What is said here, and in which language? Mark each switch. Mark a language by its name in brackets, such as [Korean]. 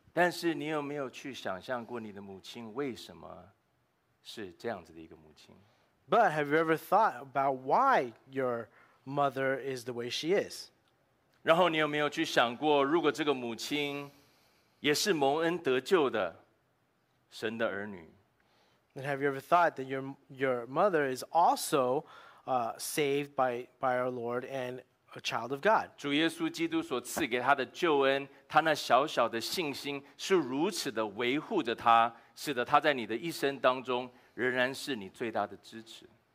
[Chinese] 但是你有没有去想象过你的母亲为什么是这样子的一个母亲？ [English] But have you ever thought about why your mother is the way she is? [Chinese] 然后你有没有去想过，如果这个母亲也是蒙恩得救的神的儿女？ [English] And have you ever thought that your mother is also saved by our Lord and a child of God? [Chinese] 主耶稣基督所赐给他的救恩，他那小小的信心是如此的维护着他，使得他在你的一生当中仍然是你最大的支持。